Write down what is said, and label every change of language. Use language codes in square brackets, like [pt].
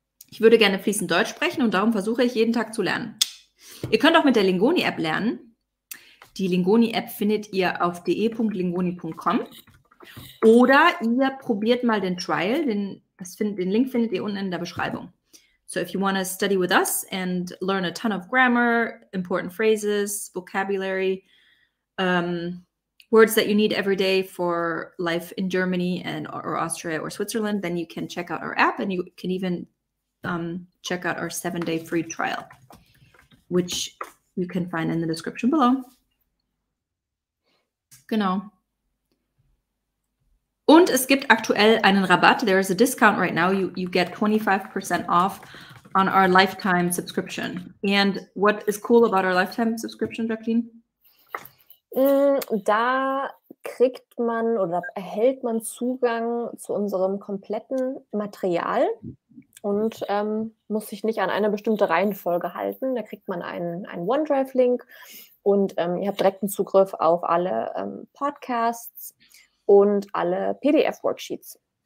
[de] Ich würde gerne fließend Deutsch sprechen und darum versuche ich jeden Tag zu lernen. Ihr könnt auch mit der Lingoni-App lernen. Die Lingoni-App findet ihr auf de.lingoni.com. Oder ihr probiert mal den Trial. Den Link findet ihr unten in der Beschreibung. [en] So if you want to study with us and learn a ton of grammar, important phrases, vocabulary, words that you need every day for life in Germany and or Austria or Switzerland, then you can check out our app and you can even check out our 7-day free trial, which you can find in the description below. [de] Genau. Und es gibt aktuell einen Rabatt. [en] There is a discount right now. You get 25% off on our lifetime subscription. And what is cool about our lifetime subscription, Jacqueline? [de] Da kriegt man oder erhält man Zugang zu unserem kompletten Material und muss sich nicht an eine bestimmte Reihenfolge halten. Da kriegt man einen OneDrive-Link und ihr habt direkten Zugriff auf alle Podcasts und alle PDF-Worksheets.